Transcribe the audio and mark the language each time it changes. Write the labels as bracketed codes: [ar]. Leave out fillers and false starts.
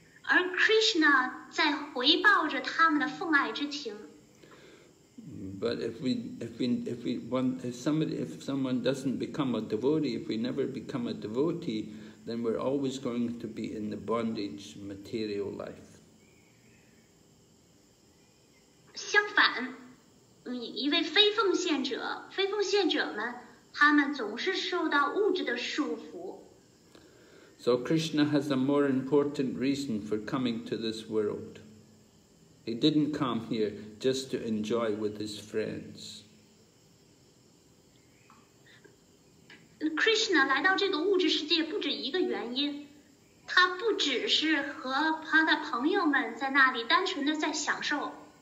[zh] 而 Krishna 在回报着他们的奉爱之情。 [en] But if someone doesn't become a devotee, if we never become a devotee, then we're always going to be in the bondage material life. [zh] 相反，一位非奉献者，非奉献者们，他们总是受到物质的束缚。 [en] So Krishna has a more important reason for coming to this world. He didn't come here just to enjoy with his friends. [zh] Krishna 来到这个物质世界不止一个原因，他不只是和他的朋友们在那里单纯的在享受。